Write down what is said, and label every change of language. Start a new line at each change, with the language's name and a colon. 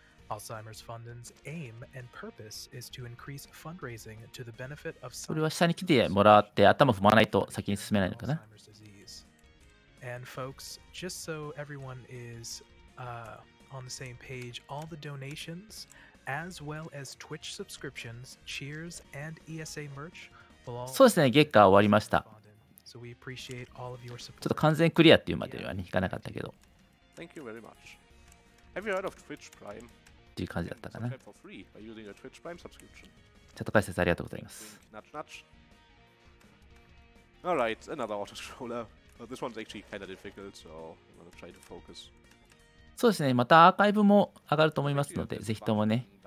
Japanese: これは下に来てもらって頭踏まないと先に進めないのかな。
English: And folks, just so everyone is on the same page, all the donations as well as Twitch subscriptions, cheers and ESA merch.
Japanese: そうですね、月下終わりました。ちょっと完全クリアっていうまでには、ね、いかなかったけど。
English: Thank you very much. Have you heard of Twitch Prime?
Japanese: っていう感じだったかな。チャット解説ありがとうございます。
English: Alright, another auto scroller. But this one's actually kind of difficult, so I'm gonna try to focus.
Japanese: そうですね、またアーカイブも上がると思いますので、ぜひともね。